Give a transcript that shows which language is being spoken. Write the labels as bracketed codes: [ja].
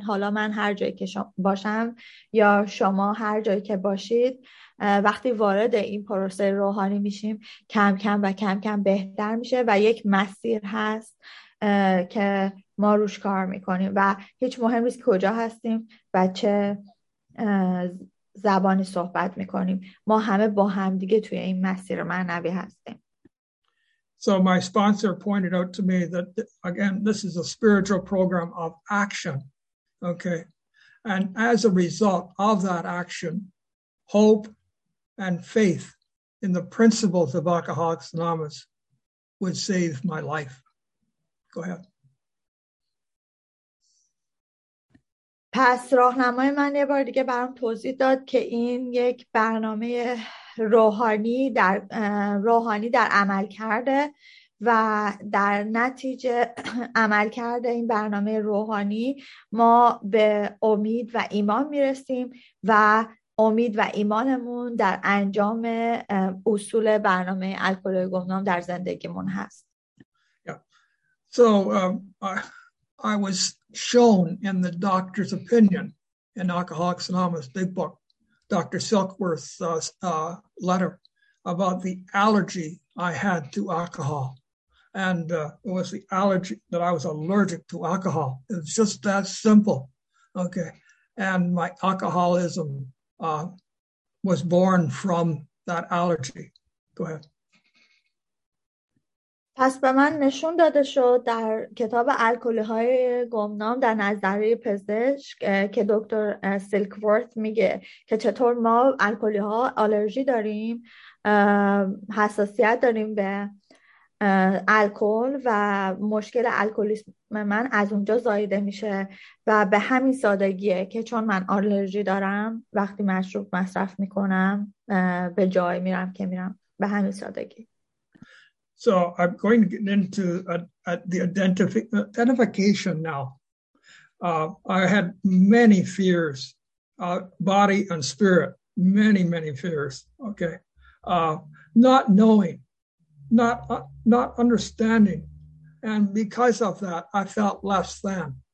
[fa] حالا من هر جایی که باشم یا شما هر جایی که باشید، وقتی وارد این پروسه روحانی میشیم، کم کم و کم کم بهتر میشه و یک مسیر هست که ما روش کار میکنیم و هیچ مهم نیست کجا هستیم و چه زبانی صحبت میکنیم، ما همه با هم دیگه توی این مسیر معنوی هستیم. [en] So my sponsor pointed out to me that again this is a spiritual program of action, okay, and as a result of that action, hope and faith in the principles of Alcoholics Anonymous would save my life. Go ahead. [fa] پس راهنمای من یه بار دیگه برام توضیح داد که این یک برنامه روحانی در عمل کرده و در نتیجه عمل کرده این برنامه روحانی ما به امید و ایمان میرسیم و امید و ایمانمون در انجام اصول برنامه الکلی گمنام در زندگیمون هست. [en] I was shown in the doctor's opinion in Alcoholics Anonymous big book, Dr. Silkworth's letter about the allergy I had to alcohol. And it was the allergy that I was allergic to alcohol. It was just that simple. Okay. And my alcoholism was born from that allergy. Go ahead. [fa] پس به من نشون داده شد در کتاب الکلی های گمنام در نظریه پزشک که دکتر سیلکورت میگه که چطور ما الکلی ها آلرژی داریم، حساسیت داریم به الکل و مشکل الکلیسم من از اونجا زایده میشه و به همین سادگیه که چون من آلرژی دارم وقتی مشروب مصرف میکنم به جای میرم که میرم به همین سادگی. [en] So I'm going to get into the identification now. I had many fears, body and spirit, many fears. Okay, not knowing, not understanding, and because of that, I felt less than.